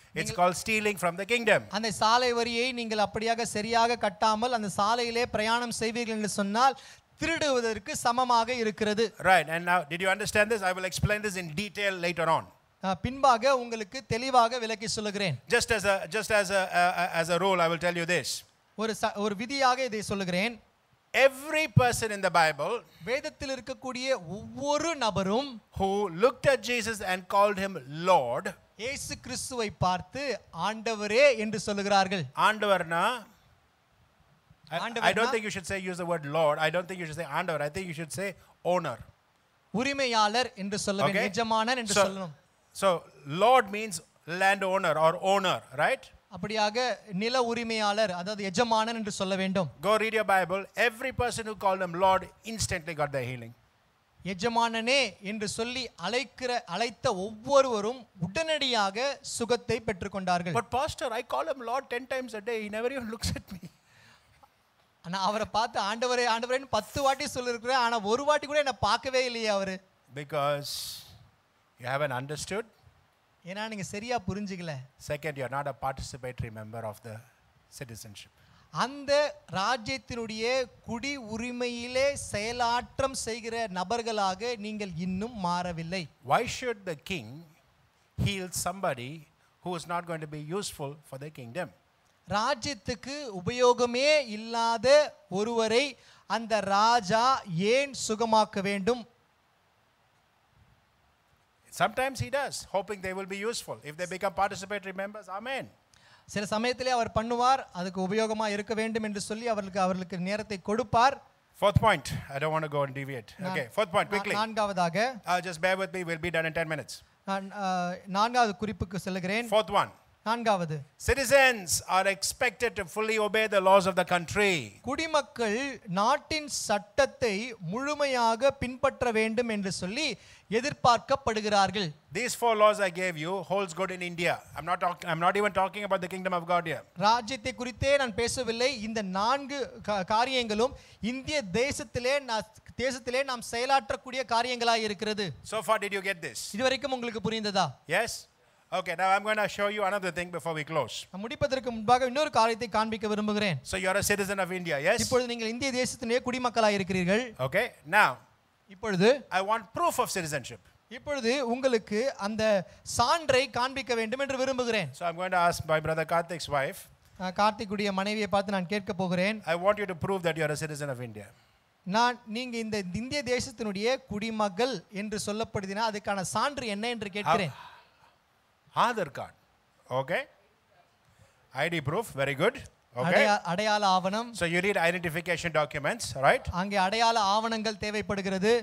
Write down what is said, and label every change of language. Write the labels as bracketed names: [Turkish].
[English] It's called stealing from the kingdom. [Tamil] அந்த சாலை வரியை நீங்கள் அப்படியாக சரியாக கட்டாமல் அந்த சாலையிலே பிரயாணம் செய்வீர்கள் என்று சொன்னால் திருடுவதற்கு சமமாக இருக்கிறது. [English] Right, and now did you understand this? I will explain this in detail later on. [Tamil] பின்பாக உங்களுக்கு தெளிவாக விளக்கி சொல்கிறேன். [English] Just as a rule, I will tell you this. [Tamil] ஒரு விதியாக இதை சொல்கிறேன். [English] Every person in the Bible, [Tamil] வேதத்தில் இருக்கக்கூடிய ஒவ்வொரு நபரும், [English] who looked at Jesus and called him Lord, [Tamil] இயேசு கிறிஸ்துவை பார்த்து ஆண்டவரே என்று சொல்கிறார்கள். [English] ஆண்டவர்னா, I don't think you should say use the word Lord. I don't think you should say ஆண்டவர். I think you should say owner. [Tamil] உரிமையாளர் என்று சொல்ல வேண்டும், எஜமானர் என்று சொல்லணும். [English] So Lord means land owner or owner, right? [Tamil] அப்படியாக நில உரிமையாளர், அதாவது எஜமானன் என்று சொல்ல வேண்டும். [English] Go read your Bible. Every person who called him Lord instantly got their healing. [Tamil] எஜமானனே என்று சொல்லி அழைத்த ஒவ்வொருவரும் உடனடியாக சுகத்தை பெற்றுக் கொண்டார்கள். [English] But pastor, I call him Lord 10 times a day. He never even looks at me. [Tamil] ஆனா அவரை பார்த்து ஆண்டவரே ஆண்டவரேன்னு 10 வாட்டி சொல்லிருக்கிறேன், ஆனா ஒரு வாட்டி கூட என்ன பார்க்கவே இல்லையே அவரு. [English] Because you haven't understood. [Tamil] ஏنا நீங்க சரியா புரிஞ்சிக்கல. [English] Second, you are not a participatory member of the citizenship. [Tamil] அந்த ராஜ்யத்தினுடைய குடி உரிமையிலே செயலாற்றம் செய்கிற நபர்களாக நீங்கள் இன்னும் மாறவில்லை. [English] Why should the king heal somebody who is not going to be useful for the kingdom? [Tamil] ராஜ்யத்துக்கு உபயோகமே இல்லாத ஒருவரை அந்த ராஜா ஏன் சுகமாக்க வேண்டும்? [English] Sometimes he does, hoping they will be useful. If they become participatory members, amen. [Tamil] சில சமயத்திலே அவர் பண்ணுவார், அதுக்கு உபயோகமா இருக்க வேண்டும் என்று சொல்லி அவர்களுக்கு அவர்களுக்கு நேரத்தை கொடுப்பார். [English] Fourth point. I don't want to go and deviate. Okay, fourth point, quickly. [Tamil] நான்காவதாக. [English] Just bear with me, we'll be done in 10 minutes. [Tamil] நான்காவது குறிப்புக்கு செல்கிறேன். [English] Fourth one. [Tamil] நான்காவது. [English] Citizens are expected to fully obey the laws of the country. [Tamil] குடிமக்கள் நாட்டின் சட்டத்தை முழுமையாக பின்பற்ற வேண்டும் என்று சொல்லி எதிர்பார்க்கப்படுகிறார்கள். [English] These four laws I gave you holds good in India. I'm not even talking about the kingdom of God here. [Tamil] ராஜ்யத்தை குறித்தே நான் பேசவில்லை. இந்த நான்கு காரியங்களும் இந்திய தேசத்திலே நாம் செயலாற்றக்கூடிய காரியங்களாக இருக்கிறது. [English] So far did you get this? [Tamil] இதுவரைக்கும் உங்களுக்கு புரிந்ததா? [English] Yes. Okay, now I'm going to show you another thing before we close. [Tamil] முடிப்பதற்கு முன்பாக இன்னொரு காரியத்தை காண்பிக்க விரும்புகிறேன். [English] So you are a citizen of India, yes? [Tamil] இப்பொழுது நீங்கள் இந்திய தேசத்தினுடைய குடிமக்களாக இருக்கிறீர்கள். [English] Okay, now [Tamil] இப்பொழுது [English] I want proof of citizenship. [Tamil] இப்பொழுது உங்களுக்கு அந்த சான்றை காண்பிக்க வேண்டும் என்று விரும்புகிறேன். [English] So I'm going to ask my brother Karthik's wife. [Tamil] கார்த்திக்குடைய மனைவியை பார்த்து நான் கேட்க போகிறேன். [English] I want you to prove that you are a citizen of India. [Tamil] நான் நீங்க இந்திய தேசத்தினுடைய குடிமகள் என்று சொல்லப்படுதினா அதுக்கான சான்று என்ன என்று கேட்கிறேன். [English] Aadhar card, okay. ID proof, very good. Okay. [Tamil] அடையாள ஆவணம். [English] So you need identification documents, right? [Tamil] அங்கே அடையாள ஆவணங்கள் தேவைப்படுகிறது.